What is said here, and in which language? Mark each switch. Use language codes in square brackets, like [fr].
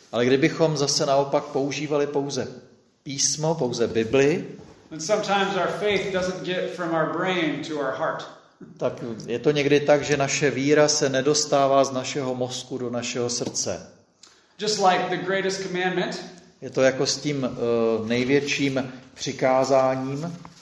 [cs] ale kdybychom zase naopak používali pouze písmo, pouze Bibli, [en] then sometimes our faith doesn't get from our brain to our heart. [cs] Tak je to někdy tak, že naše víra se nedostává z našeho mozku do našeho srdce. [en] Just like the greatest commandment, [cs] je to jako s tím největším přikázáním.